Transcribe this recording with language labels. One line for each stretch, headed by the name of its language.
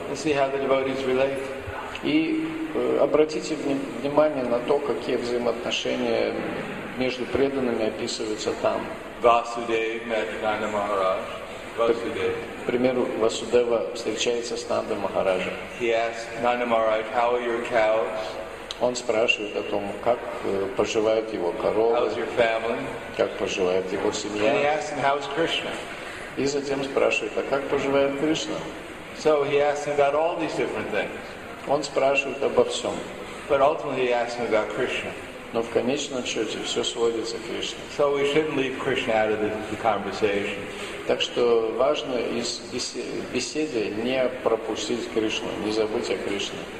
English: And see how the devotees relate.
Russian: И обратите внимание на то, какие взаимоотношения между преданными описываются там.
English: Vasudev met Nanda Maharaj. Vasudev.
Russian: К примеру, Васудева встречается с Нанда Махараджем.
English: He asks Nanda Maharaj, how are your cows?
Russian: Он спрашивает о том, как поживает его корова, как поживает его семья.
English: And he asks him, how is Krishna?
Russian: И затем спрашивает, а как поживает Кришна?
English: So he asks him about all these different things.
Russian: Он спрашивает обо всем.
English: But ultimately he asks him about Krishna.
Russian: Но в конечном счете все сводится к Кришне.
English: So we shouldn't leave Krishna out of the conversation.
Russian: Так что важно из беседы не пропустить Кришну, не забыть о Кришне.